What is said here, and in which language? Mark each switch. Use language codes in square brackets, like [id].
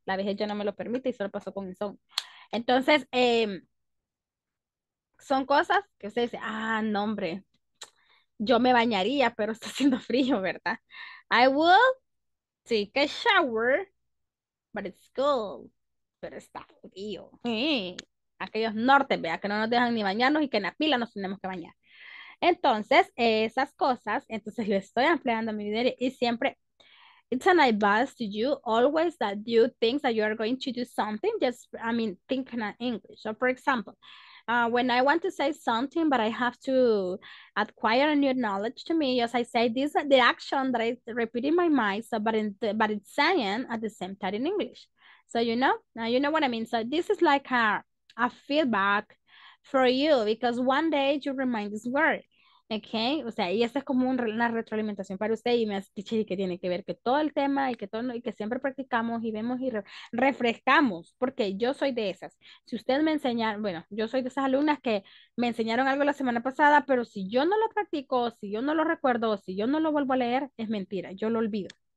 [es] La vejez ya no me lo permite y solo pasó con el son. Entonces, son cosas que usted dice, no, hombre. Yo me bañaría, pero está haciendo frío, ¿verdad? [en] I would take a shower, but it's cold. [es] Pero está frío. Aquellos norte, vea, que no nos dejan ni bañarnos y que en la pila nos tenemos que bañar. Entonces, esas cosas, entonces lo estoy ampliando en mi vida y siempre, [en] it's an advice to you always that you think that you are going to do something, just, I mean, think in English. So, for example, when I want to say something, but I have to acquire a new knowledge to me, as I say, this is the action that I repeat in my mind, so, but it's saying at the same time in English. So, you know, now you know what I mean. So, this is like a feedback for you, because one day you remind this word, okay? [es] O sea, y esto es como una retroalimentación para usted, y me dice que tiene que ver que todo el tema y que todo, y que siempre practicamos y vemos y refrescamos, porque yo soy de esas. Si usted me enseña, bueno, yo soy de esas alumnas que me enseñaron algo la semana pasada, pero si yo no lo practico, si yo no lo recuerdo, si yo no lo vuelvo a leer, es mentira, yo lo olvido.